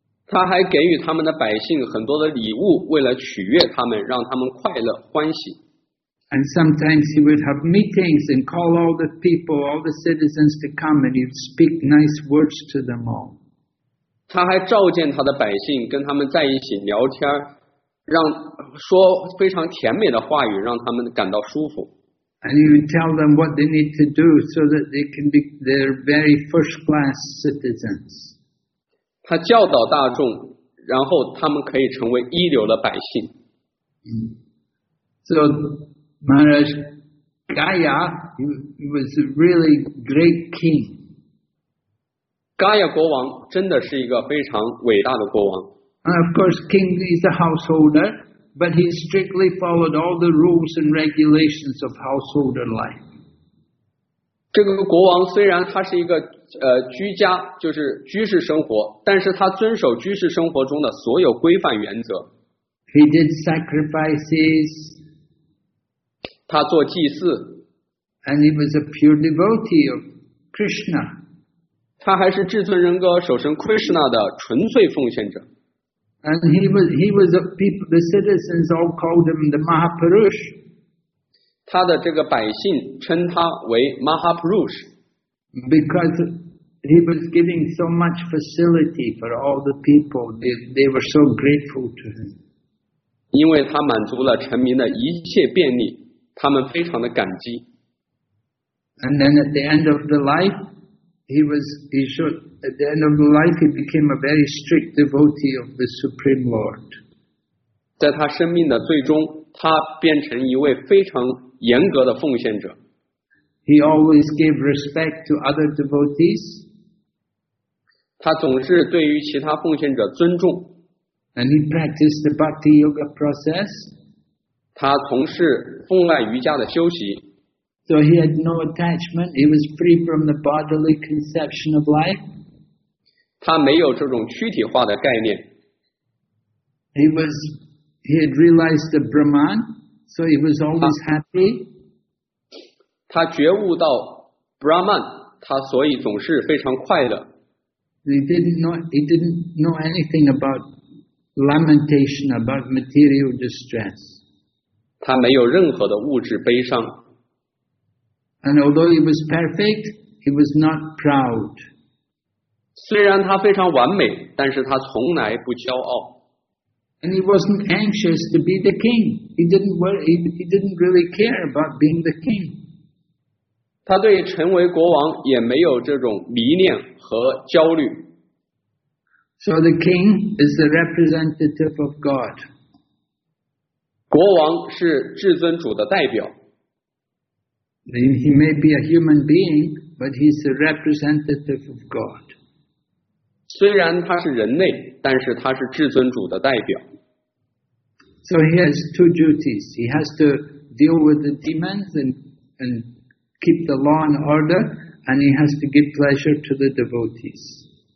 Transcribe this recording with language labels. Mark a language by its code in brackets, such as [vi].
[zh] 他还给予他们的百姓很多的礼物，为了取悦他们，让他们快乐欢喜。 [en] And sometimes he would have meetings and call all the people, all the citizens to come, and he'd speak nice words to them all. [zh] 他还召见他的百姓，跟他们在一起聊天，让说非常甜美的话语，让他们感到舒服。 [en] And he would tell them what they need to do so that they can be their very first-class citizens. [zh] 他教导大众，然后他们可以成为一流的百姓。 [en] So Maharaj Gaya, he was a really great king. [zh] Gaya 国王真的是一个非常伟大的国王。 [en] Of course, King is a householder, but he strictly followed all the rules and regulations of householder life. [zh] 这个国王虽然他是一个居家，就是居士生活，但是他遵守居士生活中的所有规范原则。 [en] He did sacrifices. [zh] 他做祭祀。 [en] And he was a pure devotee of Krishna. [zh] 他还是至尊人格守神 Krishna 的纯粹奉献者。 [en] And he was a people, the citizens all called him the Mahapurush. [zh] 他的这个百姓称他为 Mahapurush. [en] Because he was giving so much facility for all the people, they were so grateful to him. [zh] 因为他满足了臣民的一切便利，他们非常的感激。 [en] And then at the end of the life, he became a very strict devotee of the Supreme Lord. [zh] 在他生命的最终，他变成一位非常严格的奉献者。 [en] He always gave respect to other devotees. [zh] 他总是对于其他奉献者尊重。 [en] And he practiced the Bhakti Yoga process. [zh] 他从事奉爱瑜伽的修习。 [en] So he had no attachment. He was free from the bodily conception of life. [zh] 他没有这种躯体化的概念。 [en] He had realized the Brahman, so he was always happy. [zh] 他觉悟到 Brahman, 他所以总是非常快乐。 [en] He didn't know anything about lamentation, about material distress. [zh] 他没有任何的物质悲伤。 [en] And although he was perfect, he was not proud. [zh] 虽然他非常完美，但是他从来不骄傲。 [en] And he wasn't anxious to be the king. He didn't really care about being the king. [zh] 他对成为国王也没有这种迷恋和焦虑。 [en] So the king is the representative of God. [zh] 国王是至尊主的代表。 [en] He may be a human being, but he's the representative of God. [zh] 虽然他是人类，但是他是至尊主的代表。 [en] So he has two duties. He has to deal with the demons and keep the law and order, and he has to give pleasure to the devotees.